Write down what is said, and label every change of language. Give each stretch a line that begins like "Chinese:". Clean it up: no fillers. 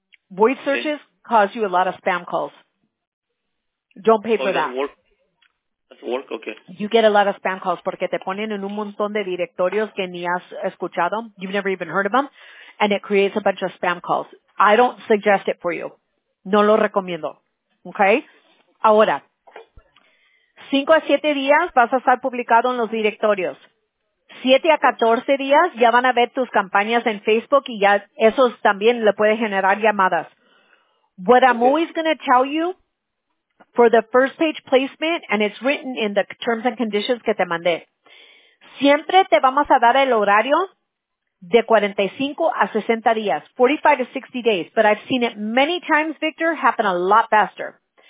English: Voice searches cause you a lot of spam calls. Don't pay for that. That's work, okay. You get a lot of spam calls
Spanish: porque te ponen en un montón de directorios que ni has escuchado.
English: You've never even heard of them. And it creates a bunch of spam calls. I don't suggest it for you.
Spanish: No lo recomiendo.
English: Okay?
Spanish: Ahora, 5 a 7 días vas a estar publicado en los directorios. 7 a 14 días ya van a ver tus campañas en Facebook y ya eso también le puede generar llamadas.
English: What I'm always going to tell you for the first page placement, and it's written in the terms and conditions
Spanish: que te mandé, siempre te vamos a dar el horario de 45 a 60 días,
English: 45 to 60 days, but I've seen it many times, Victor, happen a lot faster.